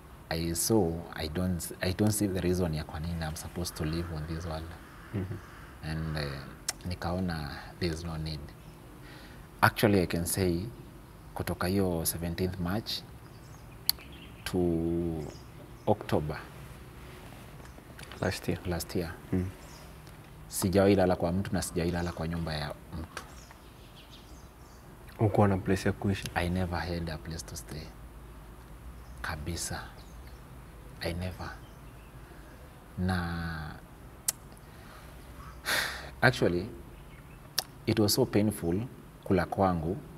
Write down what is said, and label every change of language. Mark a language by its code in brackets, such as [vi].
[en] I don't see the reason [sw] ya kwa nini [en] I'm supposed to live on this world. Mm-hmm. And [sw] nikaona [en] there's no need. Actually I can say [sw] kutoka hiyo [en] 17th March to October last year. Mm. [sw] Sijawahi lala kwa mtu na sijawahi lala kwa nyumba ya mtu. Uko na place ya kuishi? [en] I never had a place to stay. [sw] Kabisa. [en] I never. Na actually it was so painful [sw] kula kwangu.